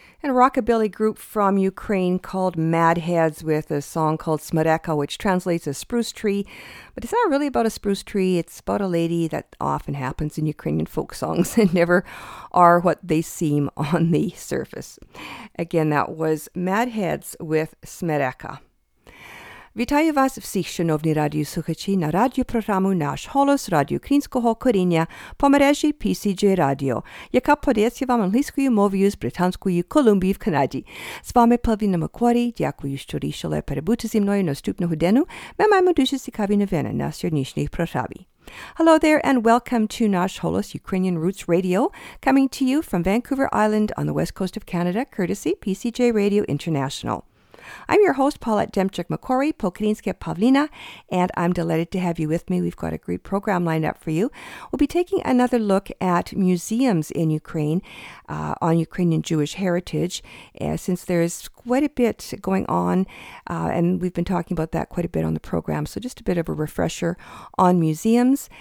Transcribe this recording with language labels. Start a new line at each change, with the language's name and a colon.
English: Rockabilly group from Ukraine called Madheads with a song called Smereka, which translates as spruce tree. But it's not really about a spruce tree. It's about a lady that often happens in Ukrainian folk songs and never are what they seem on the surface. Again, that was Madheads with Smereka.
Ukrainian: Вітаю вас всіх, шановні радіослухачі, на радіопрограму «Наш голос» Радіо Українського коріння по мережі PCJ Radio, яка подається вам англійською мовою з Британської Колумбії в Канаді. З вами Павліна Макворі, дякую, що рішили перебути зі мною наступного дню. Ми маємо дуже цікаві новини на сьогоднішній програмі.
English: Hello there and welcome to Nash Holos Ukrainian Roots Radio, coming to you from Vancouver Island on the west coast of Canada, courtesy PCJ Radio International. I'm your host, Paulette Demchuk-McCory, Pokrinske Pavlina, and I'm delighted to have you with me. We've got a great program lined up for you. We'll be taking another look at museums in Ukraine on Ukrainian Jewish heritage, since there is quite a bit going on, and we've been talking about that quite a bit on the program, so just a bit of a refresher on museums.